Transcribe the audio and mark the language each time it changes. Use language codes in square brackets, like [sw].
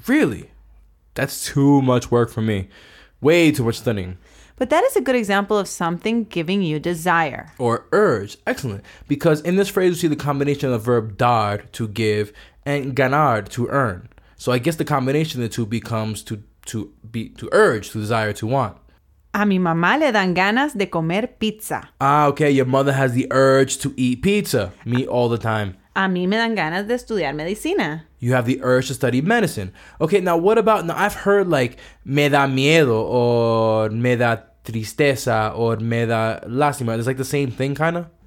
[en] Really? That's too much work for me. Way too much studying. But that is a good example of something giving you desire. Or urge. Excellent. Because in this phrase, we see the combination of the verb dar, to give, and ganar, to earn. So I guess the combination of the two becomes to urge, to desire, to want. [es] A mi mamá le dan ganas de comer pizza. [en] Ah, okay. Your mother has the urge to eat pizza. Me all the time. [es] A mí me dan ganas de estudiar medicina. [en] You have the urge to study medicine. Okay, now what about... Now, I've heard like [es] me da miedo [en] or [es] me da tristeza [en] or [es] me da lástima. [en] It's like the same thing, kind of?